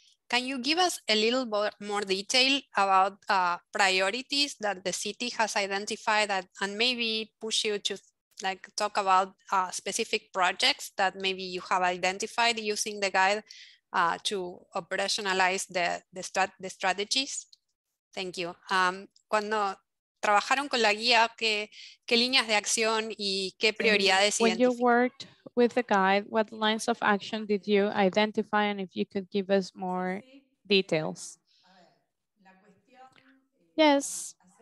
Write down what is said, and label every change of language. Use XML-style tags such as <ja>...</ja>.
<en>Can you give us a little more detail about priorities that the city has identified that, and maybe push you to like talk about specific projects that maybe you have identified using the guide to operationalize the strategies? Thank you.</en> <es>Cuando trabajaron con la guía, ¿qué líneas de acción y qué prioridades identificaron?</es> <en>When you worked with the guide, what lines of action did you identify, and if you could give us more details? Yes.</en>